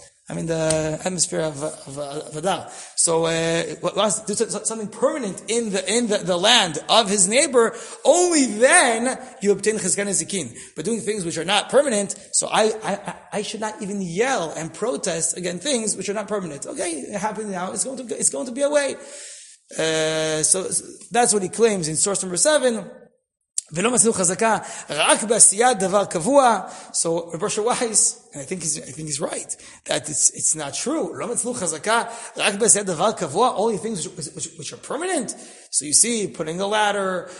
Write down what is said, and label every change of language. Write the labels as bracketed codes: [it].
[en] I mean, the atmosphere of Adar. So, wants to do something permanent in the land of his neighbor, only then you obtain Chizkat Nezikin. But doing things which are not permanent, so I should not even yell and protest against things which are not permanent. Okay, it happened now. It's going to be away. So that's what he claims in source number 7. [he] ולא מצליחו חזקה רק בעשיית דבר קבוע. [en] So Reb Osher Weiss, and I think he's right that it's not true. [he] לא מצליחו חזקה רק בעשיית דבר קבוע. [en] Only things which are permanent. So you see putting a ladder.